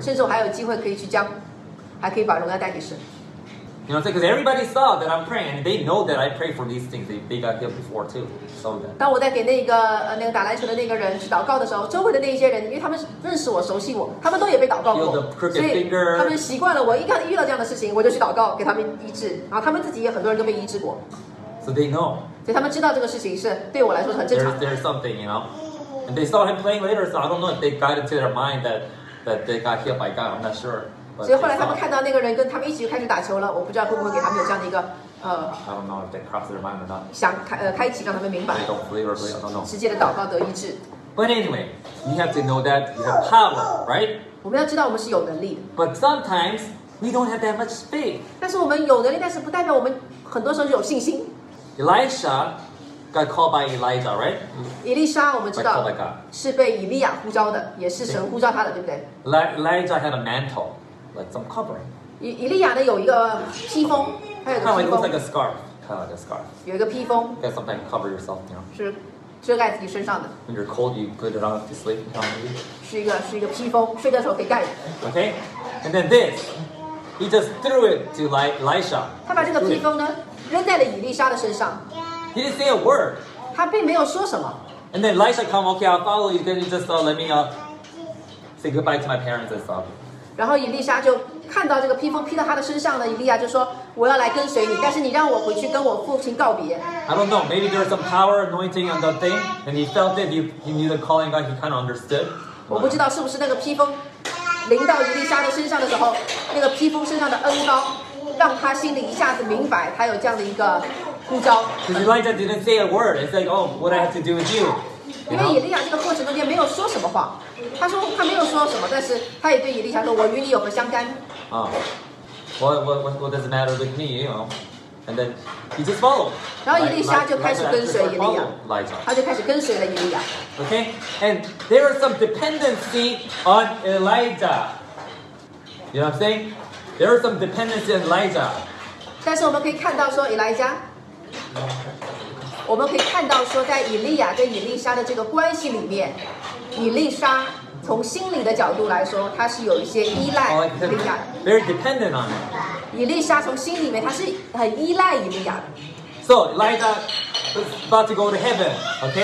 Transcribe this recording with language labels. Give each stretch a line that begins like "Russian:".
Chinese: 甚至我还有机会可以去将，还可以把荣耀带给神。
English: You know, because everybody saw that I'm praying, and they know that I pray for these things. They got healed before too, so that.
Chinese: 当我在给那个打篮球的那个人去祷告的时候，周围的那些人，因为他们认识我、熟悉我，他们都也被祷告过，
English: the crooked finger,
Chinese: 所以他们习惯了我。一看遇到这样的事情，我就去祷告给他们医治，然后他们自己也很多人都被医治过。
English: So they know.
Chinese: 所以他们知道这个事情是对我来说是很正常的。
English: There's something, you know, and they saw him playing later, so I don't know if they got into their mind that they got healed by God. I'm not sure. But、
Chinese: 所以后来他们看到那个人跟他们一起开始打球了，我不知道会不会给他们有这样的一个
English: I don't know if they cross their mind or not.
Chinese: 想开启让他们明白。
English: I don't believe or believe, I don't know.
Chinese: 直接的祷告得医治。
English: But anyway, you have to know that you have power, right?
Chinese: 我们要知道我们是有能力的。
English: But sometimes we don't have that much faith.
Chinese: 但是我们有能力，但是不代表我们很多时候就有信心。
English: Elisha got called by Elijah, right?
Chinese: 以利沙我们知道
English: by called by God.
Chinese: 是被以利亚呼召的，也是神呼召他的，对不对
English: ？Elijah had a mantle. Like some covering.
Chinese: 以利亚呢有一个披风，还有个披风。
English: Kind of like a scarf, kind of like a scarf.
Chinese: 有一个披风。
English: That's something you cover yourself, you know.
Chinese: 是遮盖自己身上的。
English: When you're cold, you put it on to sleep.
Chinese: 是一个披风，睡觉的时候可以盖着。
English: Okay, and then this, he just threw it to Elisha.
Chinese: 他把这个披风呢扔在了以利沙的身上。
English: He didn't say a word.
Chinese: 他并没有说什么。
English: And then Elisha come, okay, I'll follow you. Then he just let me say goodbye to my parents and stuff.
Chinese: 然后以利沙就看到这个披风披到他的身上了，以利亚就说：“我要来跟随你，但是你让我回去跟我父亲告别。”
English: I don't know. Maybe there's some power anointing on the thing, and he felt it. He knew the calling God. He kind of understood.
Chinese: 我不知道是不是那个披风临到以利沙的身上的时候，那个披风身上的恩膏让他心里一下子明白，他有这样的一个呼召。
English: Because Elijah didn't say a word. It's like, oh, what I have to do with you.
Chinese: 因为以利亚这个过程中间没有说什么话，他说他没有说什么，但是他也对以利亚说：“我与你有何相干？”
English: 啊、what does it matter with me, you know? And then he just followed.
Chinese: 然后以利亚就开始跟随以利亚，
English: Elijah.
Chinese: 他就开始跟随了以利亚。
English: Okay, and there is some dependency on Elijah. You know what I'm saying? There is some dependency on Elijah.
Chinese: 但是我们可以看到说，以利亚。我们可以看到说在以利亚跟以利沙的这个关系里面，以利沙从心理的角度来说他是有一些依赖以利亚的。
English: Very dependent on him.
Chinese: 以利沙从心里面他是很依赖以利亚的。
English: So, Elijah was about to go to heaven, okay?